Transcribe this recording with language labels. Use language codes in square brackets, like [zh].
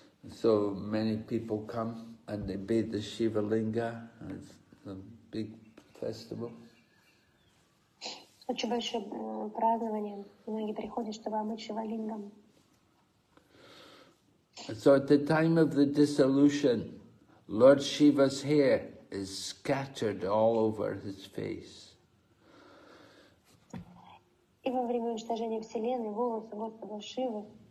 [en] So many people come and they bathe the Shiva Linga. It's a big festival. [ru] Очень большое празднование. Многие приходят, чтобы омыть Шива Лингом. [en] So at the time of the dissolution, Lord Shiva's hair is scattered all over his face. [ru] И во время уничтожения вселенной волосы Господа Шивы.